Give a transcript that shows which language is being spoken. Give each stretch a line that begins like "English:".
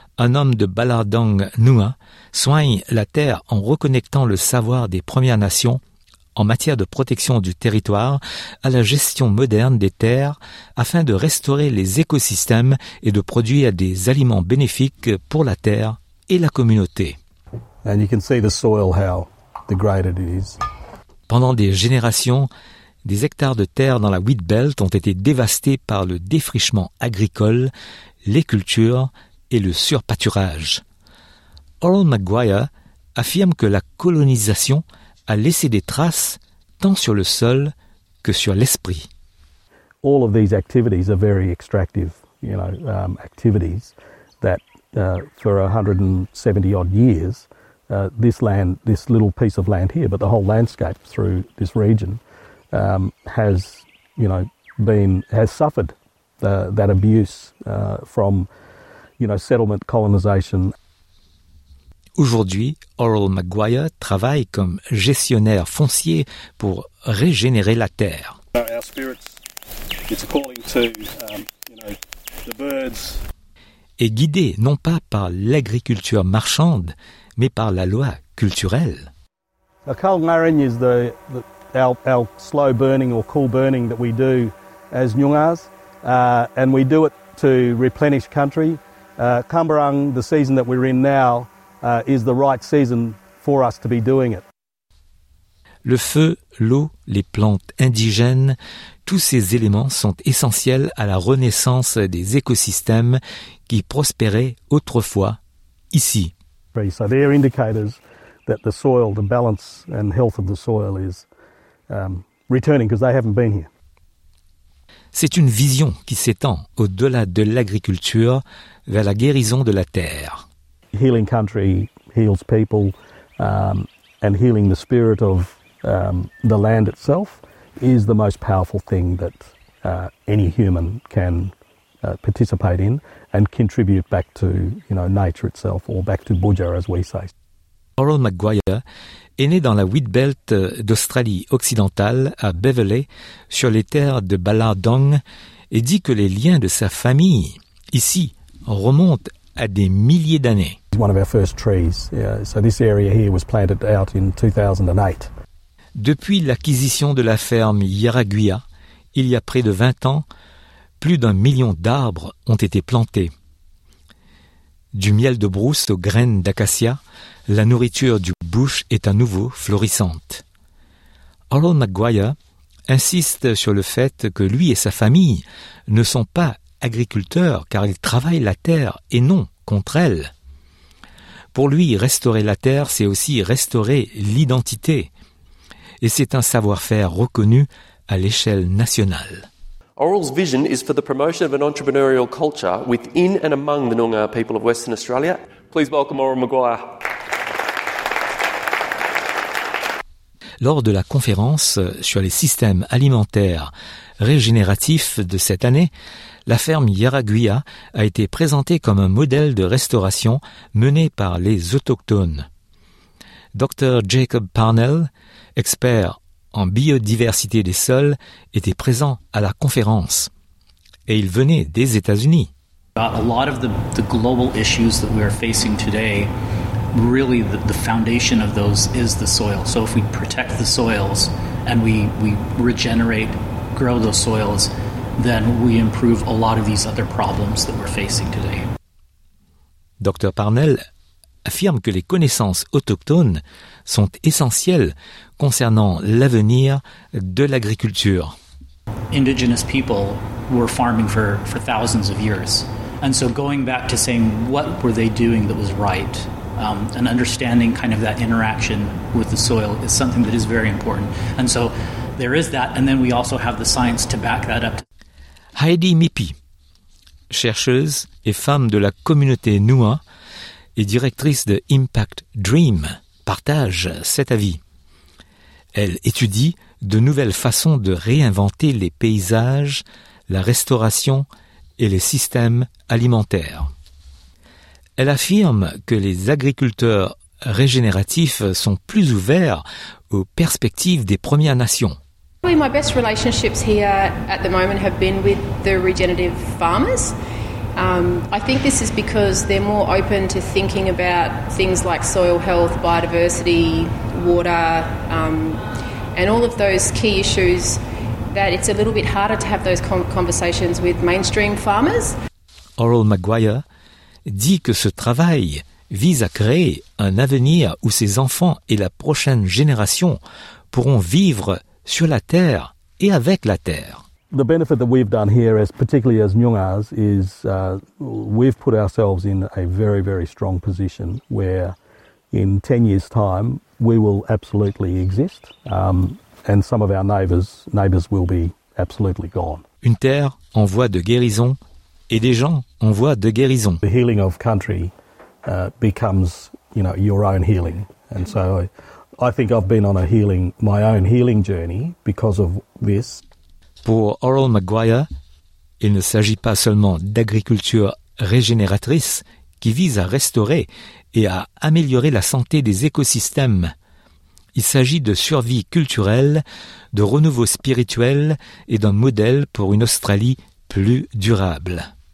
French: un homme de Balardang Nua, soigne la terre en reconnectant le savoir des Premières Nations en matière de protection du territoire à la gestion moderne des terres afin de restaurer les écosystèmes et de produire des aliments bénéfiques pour la terre et la communauté.
English: And you can see the soil, how degraded it is.
French: Pendant des générations, des hectares de terre dans la Wheat Belt ont été dévastés par le défrichement agricole, les cultures et le surpâturage. Oral Maguire affirme que la colonisation a laissé des traces tant sur le sol que sur l'esprit.
English: All of these activities are very extractive, you know, activities that for 170 odd years this land, this little piece of land here, but the whole landscape through this region has, you know, been, has suffered that abuse from, you know, settlement colonization.
French: Aujourd'hui, Oral Maguire travaille comme gestionnaire foncier pour régénérer la terre. Et guidé non pas par l'agriculture marchande, mais par la loi culturelle.
English: The Kul Narin is our slow burning or cool burning that we do as Nyungars, and we do it to replenish country. Kumbarung, the season that we're in now, is the right season for us to be doing it.
French: Le feu, l'eau, les plantes indigènes, tous ces éléments sont essentiels à la renaissance des écosystèmes qui prospéraient autrefois ici.
English: So they're indicators that the soil, the balance and health of the soil is returning because they haven't been here.
French: C'est une vision qui s'étend au-delà de l'agriculture vers la guérison de la terre.
English: Healing country heals people, and healing the spirit of the land itself is the most powerful thing that any human can participate in and contribute back to, you know, nature itself or back to Buddha, as we say.
French: Oral Maguire est né dans la Wheat Belt d'Australie occidentale à Beverley, sur les terres de Balardong, et dit que les liens de sa famille ici remontent à des milliers d'années.
English: One of our first trees. So this area here was planted out in 2008.
French: Depuis l'acquisition de la ferme Yaraguia, il y a près de 20 ans, plus d'un million d'arbres ont été plantés. Du miel de brousse aux graines d'acacia, la nourriture du bush est à nouveau florissante. Oral Maguire insiste sur le fait que lui et sa famille ne sont pas agriculteurs car ils travaillent la terre et non contre elle. Pour lui, restaurer la terre, c'est aussi restaurer l'identité. Et c'est un savoir-faire reconnu à l'échelle nationale.
English: Oral's vision is for the promotion of an entrepreneurial culture within and among the Noongar people of Western Australia. Please welcome Oral Maguire.
French: Lors de la conférence sur les systèmes alimentaires régénératifs de cette année, la ferme Yaraguia a été présentée comme un modèle de restauration mené par les autochtones. Dr. Jacob Parnell, expert en biodiversité des sols, était présent à la conférence et il venait des États-Unis.
English: A lot of the global issues that we are facing today, really the foundation of those is the soil. So if we protect the soils and we regenerate, grow those soils, then we improve a lot of these other problems that we're facing today.
French: Dr. Parnell affirme que les connaissances autochtones sont essentielles concernant l'avenir de l'agriculture.
English: Indigenous people were farming for thousands of years. And so going back to saying what were they doing that was right, and understanding kind of that interaction with the soil is something that is very important. And so there is that, and then we also have the science to back that up.
French: Heidi Mipi, chercheuse et femme de la communauté Nua et directrice de Impact Dream, partage cet avis. Elle étudie de nouvelles façons de réinventer les paysages, la restauration et les systèmes alimentaires. Elle affirme que les agriculteurs régénératifs sont plus ouverts aux perspectives des Premières Nations.
English: Probably my best relationships here at the moment have been with the regenerative farmers. I think this is because they're more open to thinking about things like soil health, biodiversity, water, and all of those key issues, that it's a little bit harder to have those conversations with mainstream farmers.
French: Oral Maguire dit que ce travail vise à créer un avenir où ses enfants et la prochaine génération pourront vivre sur la terre et avec la terre.
English: The benefit that we've done here, as particularly as Nyungars, is we've put ourselves in a very, very strong position where in 10 years' time we will absolutely exist and some of our neighbours will be absolutely gone.
French: Une terre en voie de guérison et des gens en voie de guérison.
English: The healing of country becomes, you know, your own healing. And so I think I've been on a healing, my own healing journey because of this.
French: Pour Oral Maguire, il ne s'agit pas seulement d'agriculture régénératrice qui vise à restaurer et à améliorer la santé des écosystèmes. Il s'agit de survie culturelle, de renouveau spirituel et d'un modèle pour une Australie plus durable.